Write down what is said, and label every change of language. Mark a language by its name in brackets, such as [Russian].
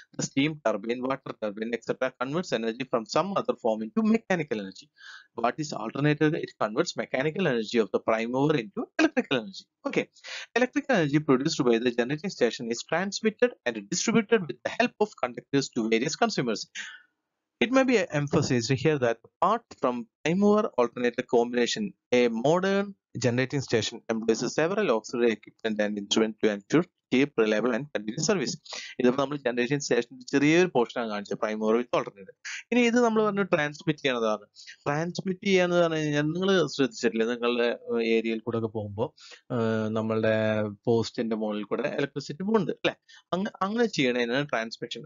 [English] The steam turbine, water turbine etcetera converts energy from some other form into mechanical energy. What is alternator? It converts mechanical energy of the prime mover into electrical energy. Okay, electrical energy produced by the generating station is transmitted and distributed with the help of conductors to various consumers. It may be emphasized here that apart from prime mover alternator combination, a modern generating station employs several auxiliary equipment and instruments to ensure cheap, reliable and continuous service. [Malayalam] ഇത് നമ്മൾ generation station ചെറിയൊരു portion ആണ് കാണിച്ചത്, [English] Prime mover with alternator. [Malayalam] ഇനി ഇത് നമ്മൾ പറഞ്ഞു transmit ചെയ്യണതാണ്. Transmit ചെയ്യാന്ന് പറഞ്ഞു കഴിഞ്ഞാൽ നിങ്ങൾ ശ്രദ്ധിച്ചിട്ടില്ലേ, നിങ്ങളുടെ ഏരിയയിൽ കൂടെ ഒക്കെ പോകുമ്പോൾ നമ്മളുടെ പോസ്റ്റിന്റെ മുകളിൽ കൂടെ ഇലക്ട്രിസിറ്റി പോകുന്നത് അല്ലെ, അങ്ങനെ ചെയ്യണതിനാണ് ട്രാൻസ്മിഷൻ.